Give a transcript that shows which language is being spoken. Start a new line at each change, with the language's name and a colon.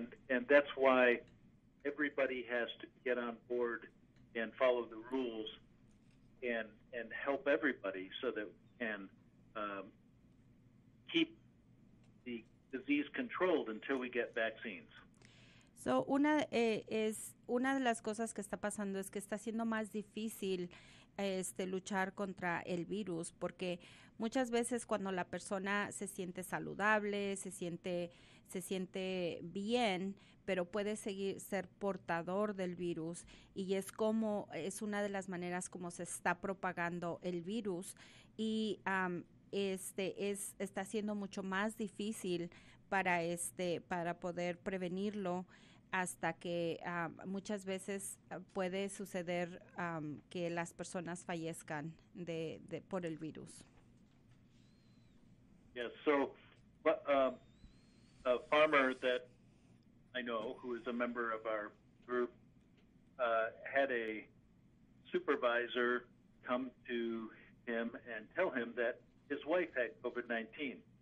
English: And that's why everybody has to get on board and follow the rules and help everybody so that we can keep the disease controlled until we get vaccines.
Spanish: So una de las cosas que está pasando es que está siendo más difícil luchar contra el virus, porque muchas veces cuando la persona se siente saludable, se siente bien, pero puede seguir ser portador del virus, y es una de las maneras como se está propagando el virus, y está siendo mucho más difícil para poder prevenirlo. Hasta que muchas veces puede suceder que las personas fallezcan de por el virus.
English: Yes, so a farmer that I know who is a member of our group had a supervisor come to him and tell him that his wife had COVID-19.